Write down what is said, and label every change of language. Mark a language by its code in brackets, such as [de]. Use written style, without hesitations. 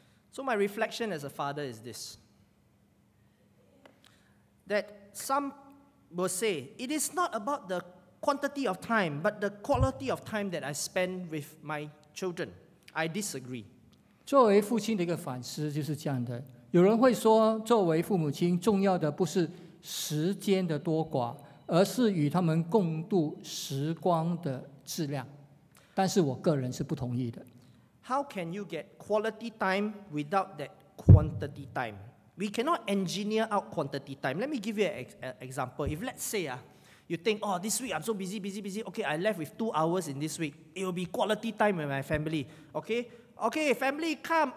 [en] So my reflection as a father is this, that some will say it is not about the quantity of time, but the quality of time that I spend with my children. I disagree. [zh] 作为父亲的一个反思就是这样的，有人会说作为父母亲重要的不是时间的多寡，而是与他们共度时光的质量，但是我个人是不同意的。 [en] How can you get quality time without that quantity time? We cannot engineer out quantity time. Let me give you an example. If let's say you think, oh, this week I'm so busy. Okay, I left with 2 hours in this week. It will be quality time with my family. Okay, family, come.